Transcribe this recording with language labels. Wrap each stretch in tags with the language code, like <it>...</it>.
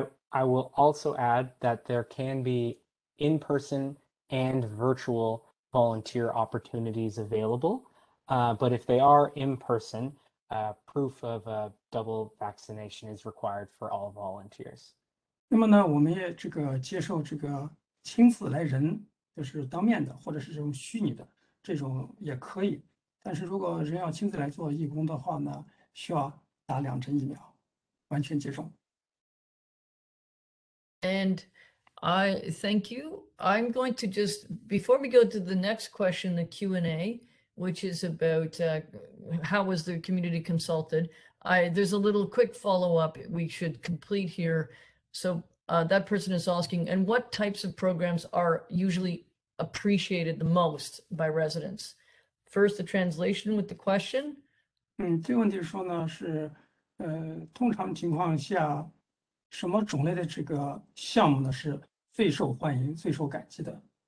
<en>I will also add that there can be in-person and virtual volunteer opportunities available, but if they are in person, proof of a double vaccination is required for all volunteers.</en> <zh>那么呢，我们也这个接受这个亲自来人，就是当面的或者是这种虚拟的，这种也可以。但是如果人要亲自来做义工的话呢，需要打2针疫苗，完全接种。</zh> <en>And I thank you. I'm going to just, before we go to the next question, the Q&A, which is about how was the community consulted, there's a little quick follow-up we should complete here. So that person is asking, and what types of programs are usually appreciated the most by residents? First, the translation with the question.</en> <zh>这个问题说呢，是通常情况下。什么种类的这个项目呢，是最受欢迎、最受感激的？</zh>